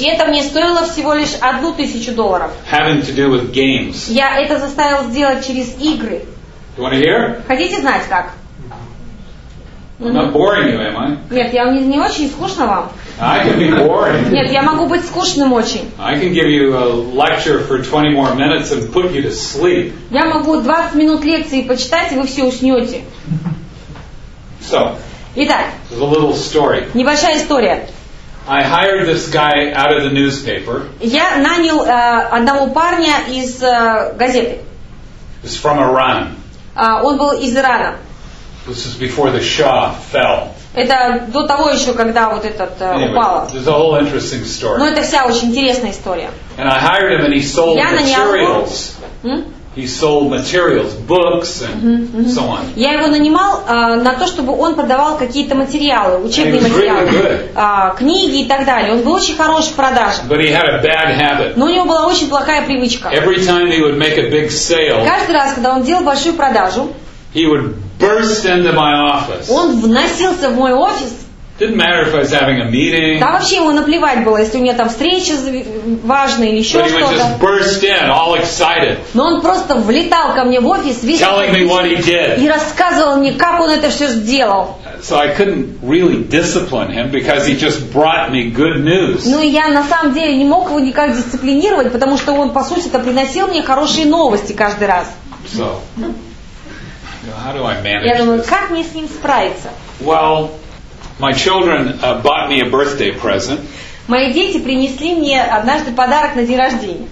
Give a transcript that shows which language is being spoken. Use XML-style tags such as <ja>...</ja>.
<ru>И это мне стоило всего лишь $1,000.</ru> <en>Having to do with games.</en> <ru>Я это заставил сделать через игры.</ru> <en>You want to hear?</en> <ru>Хотите знать как?</ru> <en>I'm not boring you, am I?</en> <ru>Нет, я не очень скучно вам.</ru> <en>I can be boring.</en> <ru>Нет, я могу быть скучным очень.</ru> <en>I can give you a lecture for 20 more minutes and put you to sleep.</en> <ru>Я могу 20 минут лекции почитать, и вы все уснете.</ru> <en>So.</en> <ru>Итак.</ru> <en>A little story.</en> <ru>Небольшая история.</ru> <en>I hired this guy out of the newspaper.</en> <ru>Я нанял одного парня из газеты.</ru> <en>He's from Iran.</en> <ru>Он был из Ирана.</ru> <en>This is before the Shah fell.</en> <ru>Это до того еще, когда вот этот упало.</ru> <en>There's a whole interesting story.</en> <ru>Но это вся очень интересная история.</ru> <en>And I hired him and he sold materials. Mm-hmm. He sold materials, books and so on.</en> <ru>Я его нанимал на то, чтобы он продавал какие-то материалы, учебные материалы, книги и так далее. Он был очень хорош в продаже.</ru> <en>But he had a bad habit.</en> <ru>Но у него была очень плохая привычка.</ru> <en>Every time he would make a big sale.</en> <ru>Каждый раз, когда он делал большую продажу,</ru> <en>he would burst into my office.</en> <ru>Он вносился в мой офис.</ru> <en>Didn't matter if I was having a meeting.</en> <ru>Да вообще ему наплевать было, если у меня там встреча важная или еще что-то.</ru> <en>But he would just burst in, all excited.</en> <ru>Но он просто влетал ко мне в офис, весь</ru> <en>telling me what he did.</en> <ru>И рассказывал мне, как он это все сделал.</ru> <en>So I couldn't really discipline him because he just brought me good news.</en> <ru>Ну я на самом деле не мог его никак дисциплинировать, потому что он по сути это приносил мне хорошие новости каждый раз.</ru> <en>So.</en> <ru>Я думаю, как мне с ним справиться?</ru> <en>Well, my children bought me a birthday present.</en> <ru>Мои дети принесли мне однажды подарок на день рождения.</ru>